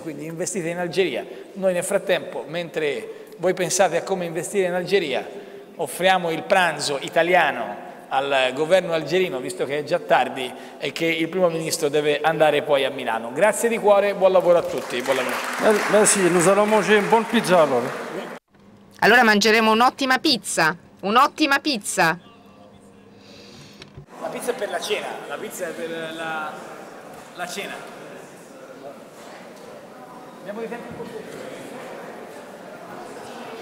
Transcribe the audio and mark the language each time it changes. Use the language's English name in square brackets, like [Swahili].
[Italian] Quindi investite in Algeria. Noi nel frattempo, mentre voi pensate a come investire in Algeria, offriamo il pranzo italiano al governo algerino, visto che è già tardi e che il Primo Ministro deve andare poi a Milano. Grazie di cuore, buon lavoro a tutti. Buon lavoro. [French] Merci, nous allons manger un bon pizza allora. [Italian] Allora mangeremo un'ottima pizza, un'ottima pizza. La pizza è per la cena, la pizza è per la cena. Andiamo di tempo un po' più.